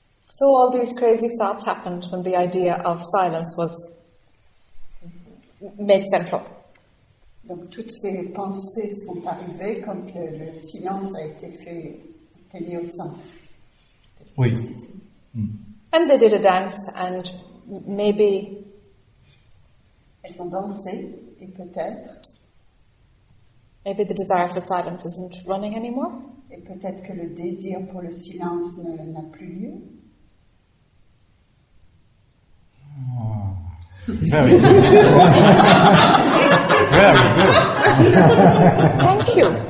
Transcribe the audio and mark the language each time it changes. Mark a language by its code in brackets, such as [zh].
[en] So all these crazy thoughts happened when the idea of silence was made central. [fr] Donc toutes ces pensées sont arrivées quand le silence a été fait, mis au centre. Oui. [en] And they did a dance, and maybe [fr] elles ont dansé, et peut-être [en] maybe the desire for silence isn't running anymore. [fr] Et peut-être que le désir pour le silence n'a plus lieu. [en] Oh. Very good. Very good. Thank you.